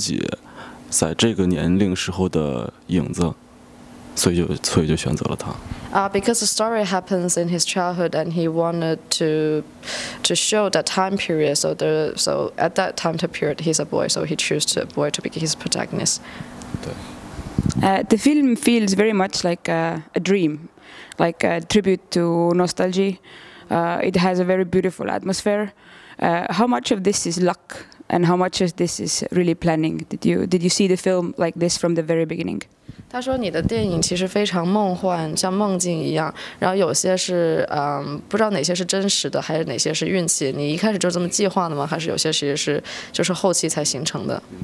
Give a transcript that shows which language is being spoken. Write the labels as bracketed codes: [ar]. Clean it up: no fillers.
[zh] 就是你选择为什么选择小孩，而且为什么是这个时期？就是因为影片里面我想说的事儿，它就是在一个孩子身上发生的事儿，就是这个孩子可以有一些我自己在这个年龄时候的影子。所以就 选择了他. [en] Because the story happens in his childhood, and he wanted to show that time period. So at that time period, he's a boy. So he chose a boy to be his protagonist. The film feels very much like a dream, like a tribute to nostalgia. It has a very beautiful atmosphere. How much of this is luck, and how much of this is really planning? Did you see the film like this from the very beginning? [zh] 他说你的电影其实非常梦幻，像梦境一样。然后有些是不知道哪些是真实的，还是哪些是运气。你一开始就这么计划的吗？还是有些其实是就是后期才形成的？